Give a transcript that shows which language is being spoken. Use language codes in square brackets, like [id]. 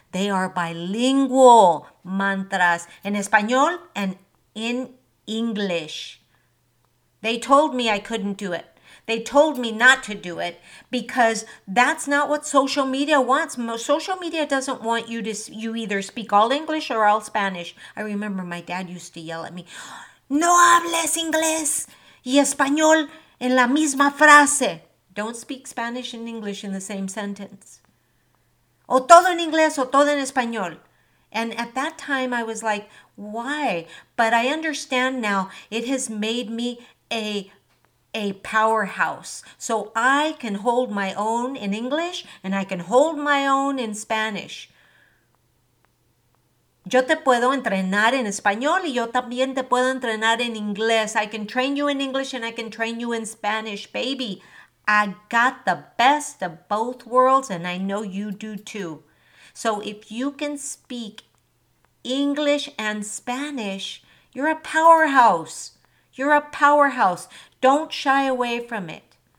[en] They are bilingual mantras in Espanol and in English. They told me I couldn't do it. They told me not to do it because that's not what social media wants. Social media doesn't want you to, you either speak all English or all Spanish. I remember my dad used to yell at me, [es] no hables inglés y español en la misma frase. [en] Don't speak Spanish and English in the same sentence. [es] O todo en inglés o todo en español. [en] And at that time, I was like, why? But I understand now it has made me a powerhouse. So I can hold my own in English and I can hold my own in Spanish. [es] Yo te puedo entrenar en español y yo también te puedo entrenar en inglés. [en] I can train you in English and I can train you in Spanish, baby. I got the best of both worlds and I know you do too. So if you can speak English and Spanish, you're a powerhouse. You're a powerhouse. Don't shy away from it.